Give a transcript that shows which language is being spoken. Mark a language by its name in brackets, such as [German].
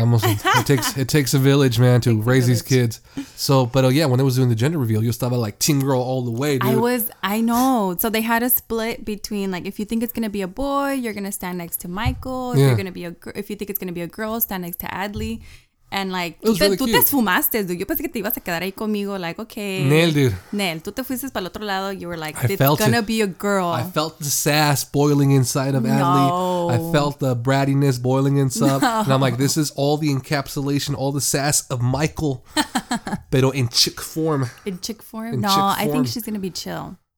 [English] It takes a village, man, to raise these kids. So, but yeah, when they was doing the gender reveal, you [Spanish] estaba [English] like team girl all the way, dude. I know. So they had a split between like, if you think it's going to be a boy, you're going to stand next to Michael. If you think it's going to be a girl, stand next to Adley. And like, really [Spanish] tú te esfumaste, dude. Yo pensé que te ibas a quedar ahí conmigo, [English] like, okay. Nail, dude. [Spanish] Nail, tú te fuiste para el otro lado. [English] You were like, it's gonna be a girl. I felt the sass boiling inside of Adley. No. I felt the brattiness boiling inside. No. And I'm like, this is all the encapsulation, all the sass of Michael. Pero in chick form. In chick form? In no, chick form. I think she's gonna be chill.